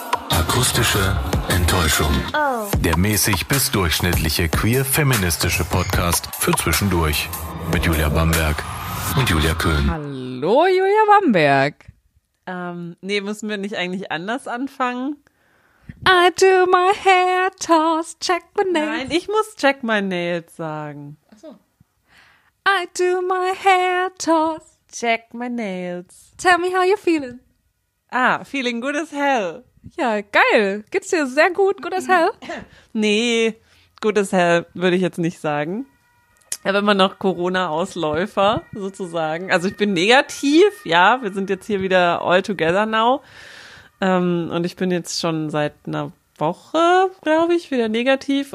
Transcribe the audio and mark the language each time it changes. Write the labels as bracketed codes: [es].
[de] akustische Enttäuschung. Oh. Der mäßig bis durchschnittliche queer-feministische Podcast für zwischendurch mit Julia Bamberg und Julia Köhn. Hallo Julia Bamberg. Nee, müssen wir nicht eigentlich anders anfangen? [en] I do my hair toss, check my nails. [de] Nein, ich muss [en] check my nails [de] sagen. Ach so. [en] I do my hair toss, check my nails. Tell me how you're feeling. Ah, feeling good as hell. [de] Ja, geil. Geht's dir sehr gut, [en] good as hell? [de] Nee, [en] good as hell [de] würde ich jetzt nicht sagen. Ich habe immer noch Corona-Ausläufer sozusagen. Also ich bin negativ, ja, wir sind jetzt hier wieder [en] all together now. [de] Und ich bin jetzt schon seit einer Woche, glaube ich, wieder negativ.